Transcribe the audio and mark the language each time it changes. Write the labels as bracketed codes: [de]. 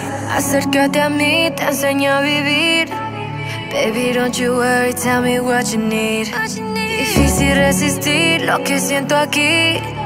[es] Acércate a mí, te enseño a vivir. [en] Baby, don't you worry, tell me what you need. [es] Difícil resistir lo que siento aquí.